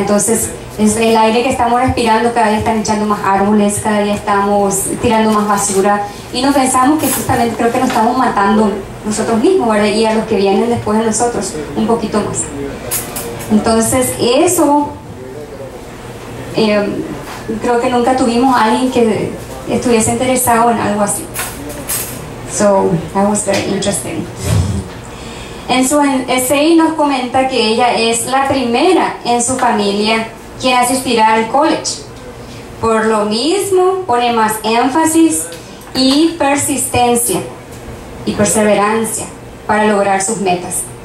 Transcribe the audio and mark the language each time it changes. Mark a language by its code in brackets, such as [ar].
[es] Entonces, es el aire que estamos respirando, cada día están echando más árboles, cada día estamos tirando más basura y nos pensamos que justamente creo que nos estamos matando nosotros mismos, ¿verdad? Y a los que vienen después de nosotros, un poquito más. Entonces, eso, creo que nunca tuvimos a alguien que estuviese interesado en algo así. [en] So, that was very interesting. [es] En su essay nos comenta que ella es la primera en su familia quien asistirá al college. Por lo mismo, pone más énfasis y persistencia y perseverancia para lograr sus metas.